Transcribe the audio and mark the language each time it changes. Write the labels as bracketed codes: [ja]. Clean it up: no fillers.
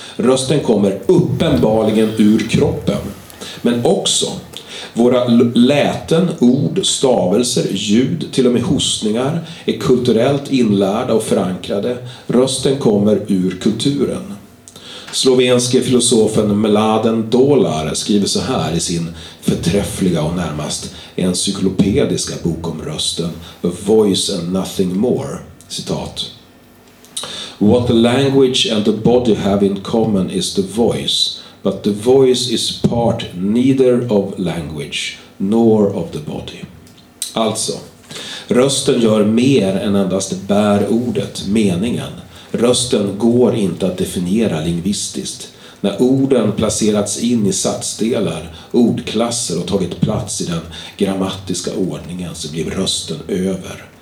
[sv] Rösten kommer uppenbarligen ur kroppen. Men också våra läten, ord, stavelser, ljud, till och med hostningar är kulturellt inlärda och förankrade. Rösten kommer ur kulturen. Slovenske filosofen Mladen Dolar skriver så här i sin förträffliga och närmast encyklopediska bok om rösten, A Voice and Nothing More, citat. [en] What the language and the body have in common is the voice, but the voice is part neither of language nor of the body. [sv] Alltså, rösten gör mer än endast bär ordet, meningen. Rösten går inte att definiera lingvistiskt. När orden placerats in i satsdelar, ordklasser och tagit plats i den grammatiska ordningen så blir rösten över.